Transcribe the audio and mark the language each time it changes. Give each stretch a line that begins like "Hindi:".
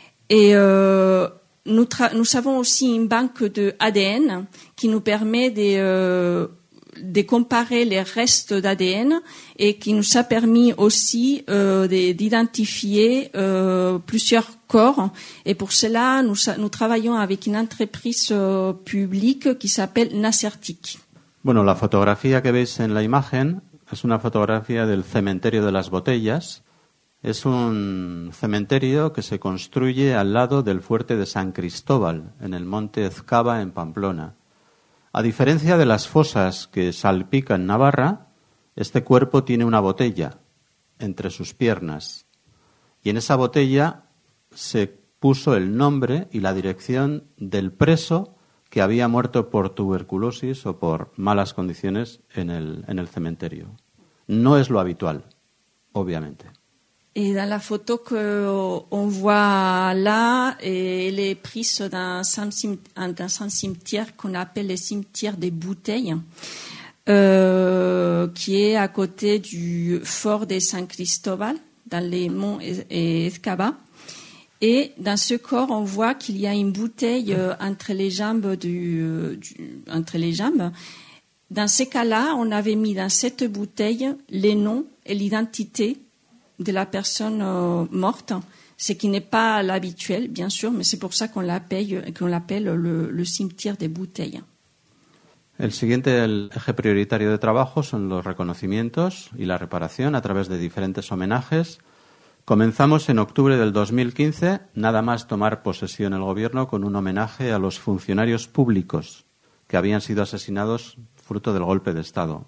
French: Et nous avons aussi une banque de ADN qui nous permet de comparer les restes d'ADN et qui nous a permis aussi d'identifier plusieurs corps. Et pour cela, nous travaillons avec une entreprise publique qui s'appelle Nasertic.
Spanish: Bueno, la
French: photographie
Spanish: que veis en la imagen es una fotografía del cementerio de las Botellas. Es un cementerio que se construye al lado del fuerte de San Cristóbal, en el monte Ezcaba, en Pamplona. A diferencia de las fosas que salpican Navarra, este cuerpo tiene una botella entre sus piernas. Y en esa botella se puso el nombre y la dirección del preso que había muerto por tuberculosis o por malas condiciones en el cementerio. No es lo habitual, obviamente. Y en la foto que
French: on voit là, elle est prise dans un cimetière qu'on appelle le cimetière des bouteilles, qui est à côté du fort de San Cristóbal, dans les monts Ezcaba. Et dans ce corps, on voit qu'il y a une bouteille entre les jambes. Dans ces cas-là, on avait mis dans cette bouteille les noms et l'identité de la personne morte, ce qui n'est pas l'habituel, bien sûr, mais c'est pour ça qu'on l'appelle le cimetière des bouteilles.
Spanish: El siguiente, el eje prioritario de trabajo son los reconocimientos y la reparación a través de diferentes homenajes. Comenzamos en octubre del 2015, nada más tomar posesión el gobierno, con un homenaje a los funcionarios públicos que habían sido asesinados fruto del golpe de Estado.